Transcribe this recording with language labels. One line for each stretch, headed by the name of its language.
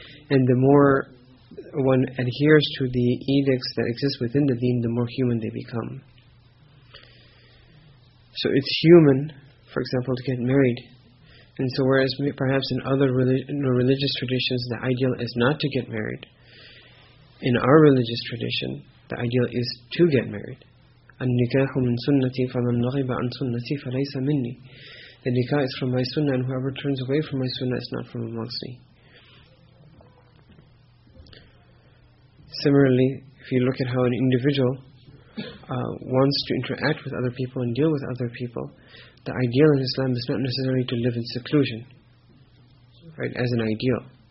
English: And the more one adheres to the edicts that exist within the deen, the more human they become. So it's human, for example, to get married. And so whereas perhaps in other religious traditions, the ideal is not to get married, in our religious tradition, the ideal is to get married.
Arabic: النكاح من سنتي فمن رغب عن سنتي فليس مني.
English: The nikah is from my sunnah, and whoever turns away from my sunnah is not from amongst me. Similarly, if you look at how an individual wants to interact with other people and deal with other people, the ideal in Islam is not necessarily to live in seclusion, right, as an ideal.